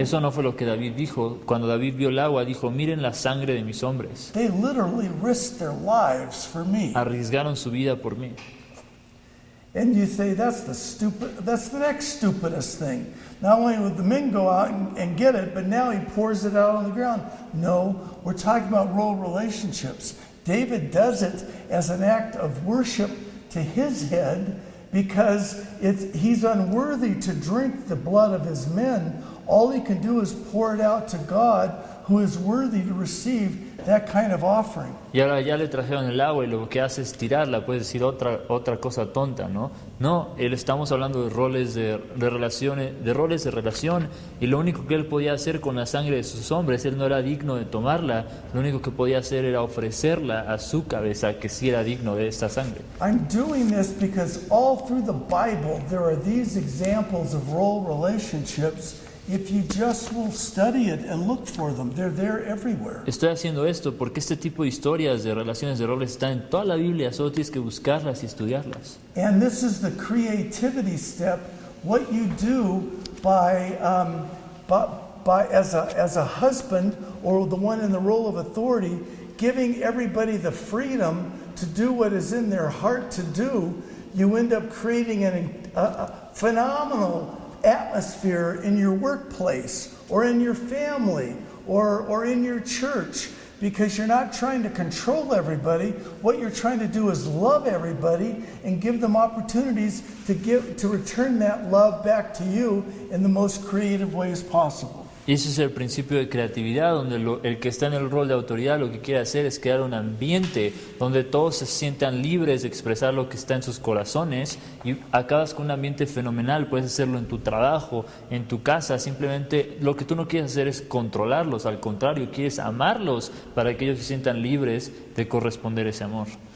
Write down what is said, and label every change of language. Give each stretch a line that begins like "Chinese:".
Spanish: Eso no fue lo que David dijo. Cuando David vio el agua, dijo, miren la sangre de mis hombres.
English: They literally risked their lives for me.
Spanish: Arriesgaron su vida por mí.
English: And you say, that's the next stupidest thing. Not only would the men go out and get it, but now he pours it out on the ground. No, we're talking about role relationships. David does it as an act of worship to his head because he's unworthy to drink the blood of his men. All he can do is pour it out to God, who is worthy to receive that kind of offering.
Spanish: Y ahora ya le trajeron el agua y lo que hace es tirarla, puede decir otra cosa tonta, ¿no? No, él estamos hablando de roles de relaciones, de roles de relación, y lo único que él podía hacer con la sangre de sus hombres, él no era digno de tomarla, lo único que podía hacer era ofrecerla a su cabeza, que sí era digno de esta sangre.
English: I'm doing this because all through the Bible there are these examples of role relationships. If you just will study it and look for them, they're there everywhere.
Spanish: Estoy haciendo esto porque este tipo de historias de relaciones de roles están en toda la Biblia, solo tienes que buscarlas y estudiarlas.
English: And this is the creativity step. What you do by as a husband or the one in the role of authority, giving everybody the freedom to do what is in their heart to do, you end up creating a phenomenal atmosphere in your workplace or in your family or in your church, because you're not trying to control everybody. What you're trying to do is love everybody and give them opportunities to return that love back to you in the most creative ways possible.
Spanish: Y ese es el principio de creatividad, donde el que está en el rol de autoridad lo que quiere hacer es crear un ambiente donde todos se sientan libres de expresar lo que está en sus corazones, y acabas con un ambiente fenomenal. Puedes hacerlo en tu trabajo, en tu casa. Simplemente lo que tú no quieres hacer es controlarlos, al contrario, quieres amarlos para que ellos se sientan libres de corresponder ese amor.